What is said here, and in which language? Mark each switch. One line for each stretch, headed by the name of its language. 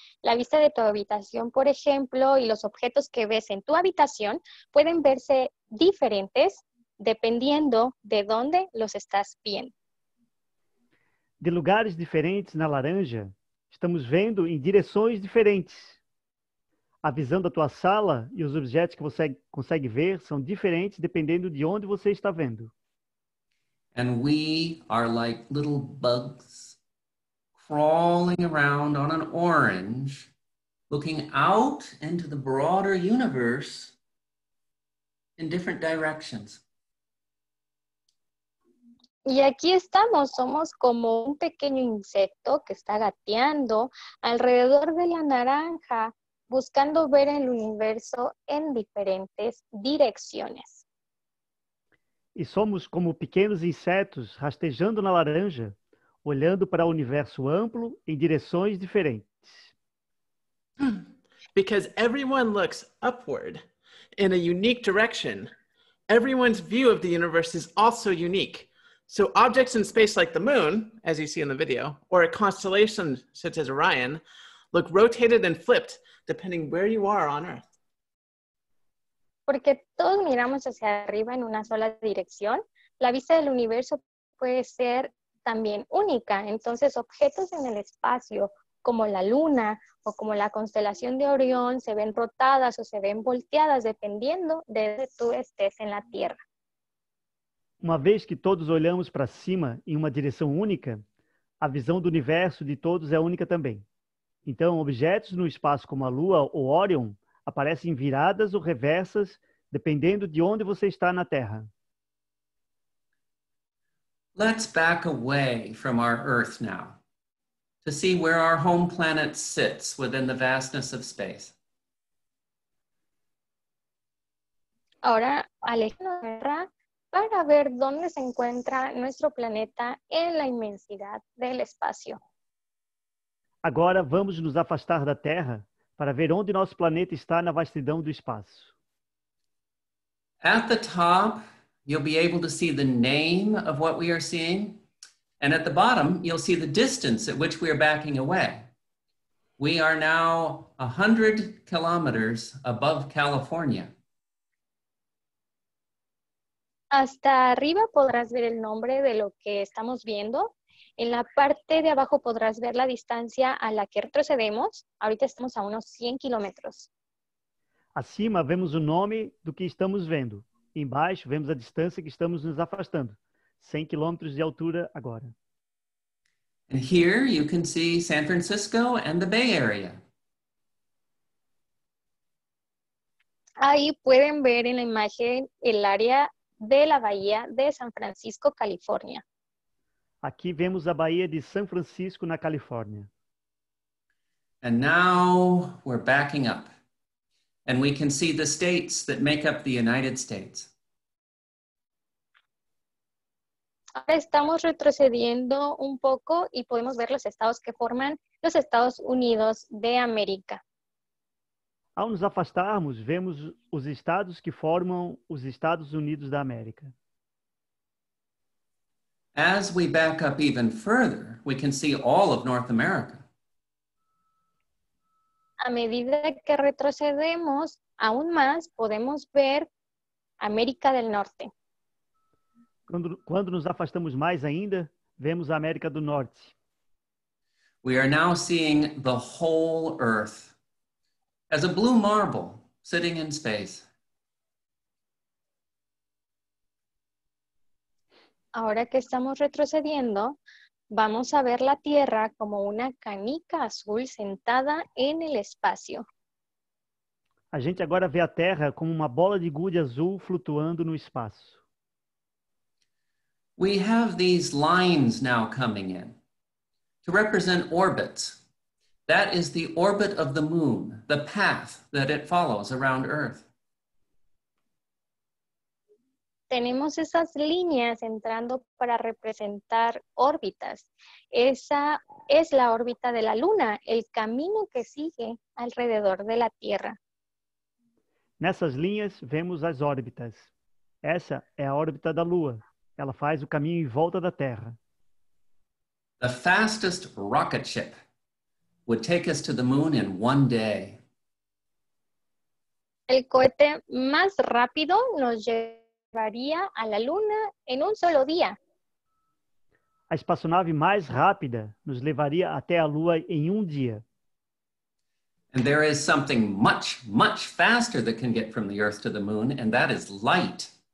Spanish: La vista de tu habitación, por ejemplo, y los objetos que ves en tu habitación pueden verse diferentes dependiendo de dónde los estás viendo.
Portuguese: De lugares diferentes na laranja, estamos vendo em direções diferentes. A visão da tua sala e os objetos que você consegue ver são diferentes dependendo de onde você está vendo.
English: And we are like little bugs crawling around on an orange, looking out into the broader universe in different directions.
Spanish: Y aquí estamos, somos como un pequeño insecto que está gateando alrededor de la naranja, buscando ver el universo en diferentes direcciones. Y somos como pequeños insectos
Portuguese: rastejando na laranja, olhando para o universo amplo em direções diferentes.
English: Because everyone looks upward in a unique direction, everyone's view of the universe is also unique. So objects in space like the moon, as you see in the video, or a constellation such as Orion, look rotated and flipped depending where you are on Earth.
Spanish: Porque todos miramos hacia arriba en una sola dirección, la vista del universo puede ser también única. Entonces, objetos en el espacio, como la luna o como la constelación de Orión, se ven rotadas o se ven volteadas dependiendo de donde tú estés en la Tierra.
Portuguese: Uma vez que todos olhamos para cima em uma direção única, a visão do universo de todos é única também. Então, objetos no espaço como a Lua ou Orion aparecem viradas ou reversas dependendo de onde você está na Terra.
English: Let's back away from our Earth now to see where our home planet sits within the vastness of space.
Spanish: Ahora, Alejandra, para ver dónde se encuentra nuestro planeta en la inmensidad del espacio.
Portuguese: Agora vamos nos afastar da Terra para ver onde nosso planeta está na vastidão do espaço.
English: At the top, you'll be able to see the name of what we are seeing, and at the bottom, you'll see the distance at which we are backing away. We are now 100 kilometers above California.
Spanish: Hasta arriba podrás ver el nombre de lo que estamos viendo. En la parte de abajo podrás ver la distancia a la que retrocedemos. Ahorita estamos a unos 100 kilómetros.
Portuguese: Acima vemos o nome do que estamos vendo. Embaixo vemos a distância que estamos nos afastando. 100 kilómetros de altura agora.
English: And here you can see San Francisco and the Bay Area.
Spanish: Ahí pueden ver en la imagen el área de la Bahía de San Francisco, California.
Portuguese: Aqui vemos a Baía de San Francisco, na Califórnia.
English: And now we're backing up. And we can see the states that make up the United States.
Spanish: Ahora estamos retrocediendo un poco y podemos ver los estados que forman los Estados Unidos de América.
Portuguese: Ao nos afastarmos, vemos os estados que formam os Estados Unidos da América.
English: As we back up even further, we can see all of North America.
Spanish: A medida que retrocedemos aún más, podemos ver América del Norte.
Portuguese: Quando nos afastamos mais ainda, vemos a América do Norte.
English: We are now seeing the whole Earth as a blue marble sitting in space.
Spanish: Ahora que estamos retrocediendo, vamos a ver la Tierra como una canica azul sentada en el espacio.
Portuguese: A gente agora vê a Terra como uma bola de gude azul flutuando no espaço.
English: We have these lines now coming in to represent orbits. That is the orbit of the moon, the path that it follows around Earth.
Spanish: Tenemos esas líneas entrando para representar órbitas. Esa es la órbita de la Luna, el camino que sigue alrededor de la Tierra.
Portuguese: Nessas linhas vemos as órbitas. Essa é a órbita da Lua. Ela faz o caminho em volta da Terra.
English: The fastest rocket ship would take us to the moon in one day.
Spanish: El cohete más rápido nos llevaría a la luna en un solo día.
Portuguese: A espaçonave mais rápida nos levaria até a lua em um dia.
English: And there is something much, much faster that can get from the Earth to the moon, and that is light.